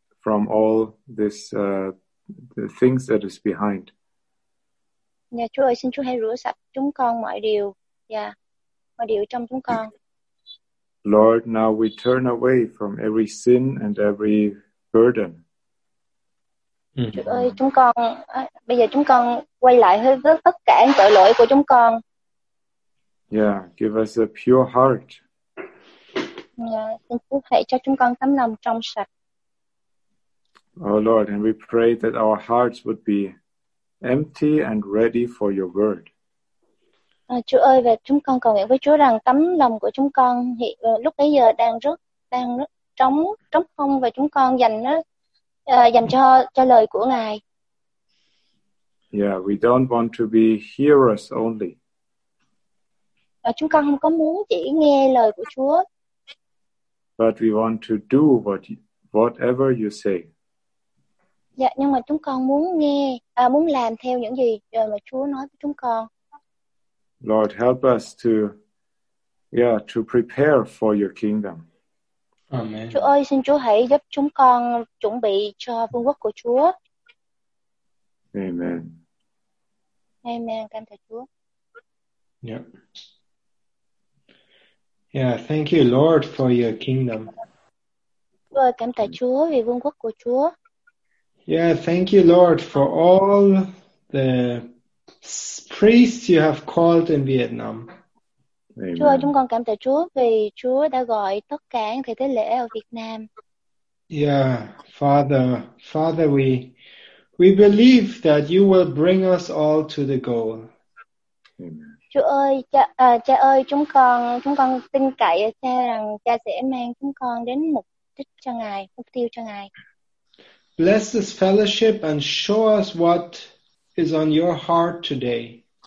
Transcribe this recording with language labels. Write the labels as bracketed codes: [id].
[en] from all this the things that is behind. [vi] Dạ Chúa ơi, xin Chúa hãy rửa sạch chúng con mọi điều, dạ, mọi điều trong chúng con. [en] Lord, now we turn away from every sin and every burden. [vi] Chúa ơi, chúng con bây giờ chúng con quay lại hết với tất cả tội lỗi của chúng con. [en] Yeah, give us a pure heart. [vi] Dạ, xin Chúa hãy cho chúng con tấm lòng trong sạch. [en] Oh Lord, and we pray that our hearts would be empty and ready for your word. [vi] Chúa ơi, và chúng con cầu nguyện với Chúa rằng tấm lòng của chúng con hiện lúc bấy giờ đang rất trống không, và chúng con dành cho lời của Ngài. [en] Yeah, we don't want to be hearers only. [vi] Chúng con không có muốn chỉ nghe lời của Chúa. [en] But we want to do whatever you say. [vi] Dạ, nhưng mà chúng con muốn nghe, muốn làm theo những gì mà Chúa nói với chúng con. [en] Lord, help us to prepare for your kingdom. Amen. [vi] Chúa ơi, xin Chúa hãy giúp chúng con chuẩn bị cho vương quốc của Chúa. [en] Amen. [vi] Amen, cảm tạ Chúa. [en] Yeah. Yeah, thank you, Lord, for your kingdom. [vi] Chúa ơi, cảm tạ Chúa vì vương quốc của Chúa. [en] Yeah, thank you, Lord, for all the priests you have called in Vietnam. Amen. [vi] Chúa ơi, chúng con cảm tạ Chúa vì Chúa đã gọi tất cả những thầy tế lễ ở Việt Nam. [en] Yeah, Father, we believe that you will bring us all to the goal. Amen. [vi] Chúa ơi, cha ơi, chúng con tin cậy cha rằng cha sẽ mang chúng con đến mục đích cho Ngài, mục tiêu cho Ngài. [en] Bless this fellowship and show us what is on your heart today.